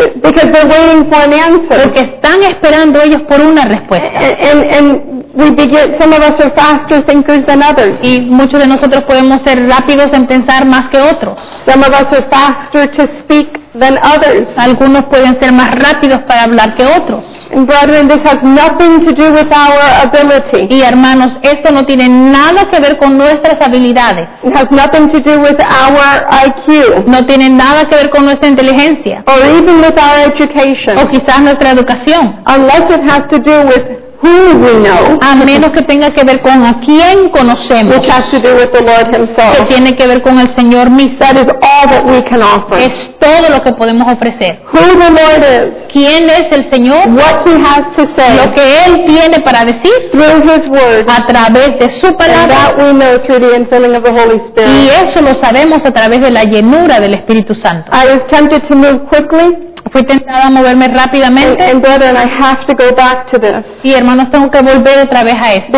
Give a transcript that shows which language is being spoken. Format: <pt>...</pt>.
<en>Because they're waiting for an answer.</en> <es>Porque están esperando ellos por una respuesta.</es> <en>And we begin, some of us are faster thinkers than others.</en> <es>Y muchos de nosotros podemos ser rápidos en pensar más que otros.</es> <en>Some of us are faster to speak than others.</en> <es>Algunos pueden ser más rápidos para hablar que otros.</es> <en>And brethren, this has nothing to do with our ability.</en> <es>Y hermanos, esto no tiene nada que ver con nuestras habilidades.</es> <en>It has nothing to do with our IQ.</en> <es>No tiene nada que ver con nuestra inteligencia.</es> <en>Or even with our education.</en> <es>O quizás nuestra educación.</es> <en>Unless it has to do with who we know.</en> <es>A menos que tenga que ver con a quién conocemos.</es> <en>Which has to do with the Lord himself.</en> <es>Que tiene que ver con el Señor mismo.</es> <en>That is all that we can offer.</en> <es>Es todo lo que podemos ofrecer.</es> <en>Who the Lord is.</en> <es>¿Quién es el Señor?</es> <en>What he has to say.</en> <es>Lo que él tiene para decir.</es> <en>Through his word.</en> <es>A través de su palabra.</es> <en>And that we know through the infilling of the Holy Spirit.</en> <es>Y eso lo sabemos a través de la llenura del Espíritu Santo.</es> <en>I was tempted to move quickly.</en> <es>Fui tentada a moverme rápidamente.</es> <en>And brethren, I have to go back to this.</en> <es>Y hermanos, tengo que volver otra vez a esto.</es>